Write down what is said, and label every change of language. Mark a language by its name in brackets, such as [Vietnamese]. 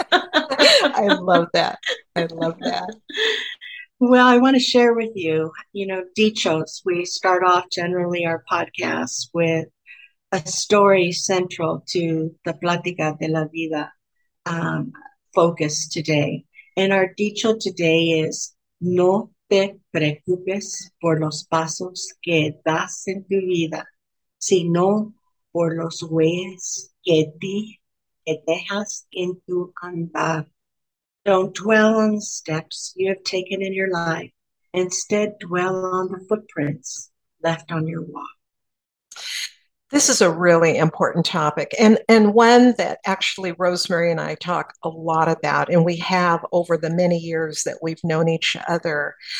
[English] I love that. I love that. want to share with you, Dichos. We start off generally our podcast with a story central to the Plática de la Vida focus today. And our dicho today is, [Spanish] "No te preocupes por los pasos que das en tu vida, sino por los huellas que dejas en tu andar. [English] Don't dwell on the steps you have taken in your life. Instead, dwell on the footprints left on your walk." This is a really important topic, and one that actually Rosemary and I talk a lot about, and we have over the many years that we've known each other.